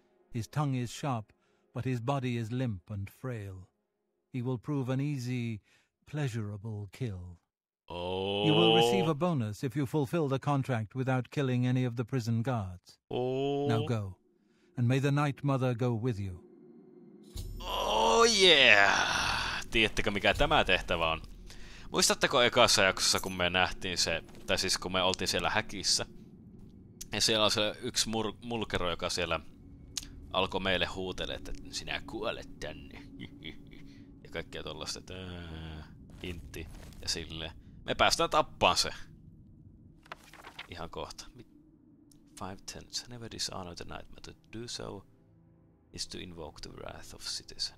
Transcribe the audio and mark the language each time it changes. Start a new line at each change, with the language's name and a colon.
English: His tongue is sharp, but his body is limp and frail. He will prove an easy, pleasurable kill. Oh. You will receive a bonus if you fulfill the contract without killing any of the prison guards. Oh. Now go, and may the Night Mother go with you. Oh yeah!
Finnish: Tiedättekö mikä tämä tehtävä on? Muistatteko ekassa jaksossa, kun me nähtiin se, tai siis kun me oltiin siellä häkissä, ja siellä on se yksi mulkero, joka siellä alkoi meille huutele, että sinä kuolet tänne. Ja kaikkea tollaista, että hintti ja silleen. Me päästään tappaan se. Ihan kohta. 5-10.
English: It's never dishonored the night, but to do so is to invoke the wrath of cities.